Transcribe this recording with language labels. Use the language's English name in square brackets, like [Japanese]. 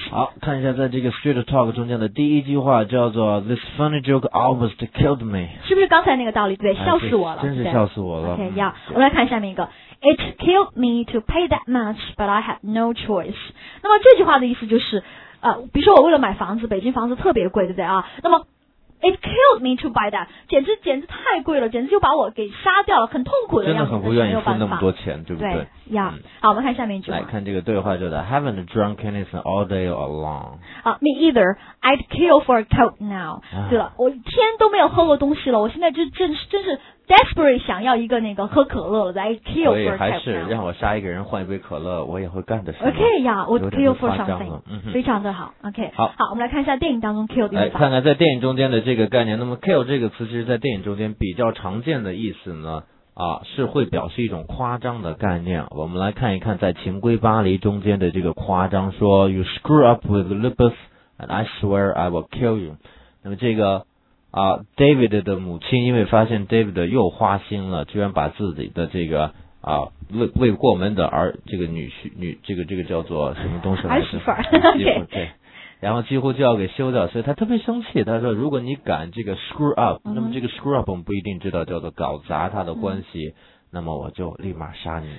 [Chinese] 好，看一下在这个 Straight Talk 中间的第一句话叫做 [English] This funny joke almost killed me. [Chinese] 是不是刚才那个道理？对，笑死我了，真是笑死我了。 OK， 要、yeah, 我们来看下面一个。 [English] It killed me to pay that much, but I had no choice. [Chinese] 那么这句话的意思就是，比如说我为了买房子，北京房子特别贵，对不对啊？那么 [English] It killed me to buy that. [Chinese] 简直太贵了，简直就把我给杀掉了，很痛苦的样子。真的很不愿意付那么多钱，对不对？对呀、嗯。好，我们看下面一句话。来看这个对话，就是 [English] Haven't drunk anything all day long. Me either. I'd kill for a coke now. [Chinese] 对了，我一天都没有喝过东西了，我现在就真是 desperate 想要一个那个喝可乐了。 [English] I'd kill for a coke now. [Chinese] 还是让我杀一个人换一杯可乐，我也会干的事。 OK 呀，我 [English] kill for something， [Chinese] 非常的好。 [English] OK， [Chinese] 好，我们来看一下电影当中 kill 的用法。来看看在电影中间的这个概念，那么 kill 这个词其实在电影中间比较常见的意思呢是会表示一种夸张的概念。我们来看一看在情归巴黎中间的这个夸张，说 [English] You screw up with Lupus and I swear I will kill you。 [Chinese] 那么这个David 的母亲因为发现 David 又花心了，居然把自己的这个未过门的儿这个女叫做什么东西儿媳妇儿，然后几乎就要给休掉，所以他特别生气。他说如果你敢这个 screw up、嗯、那么这个 screw up 我们不一定知道叫做搞砸他的关系、嗯、那么我就立马杀你。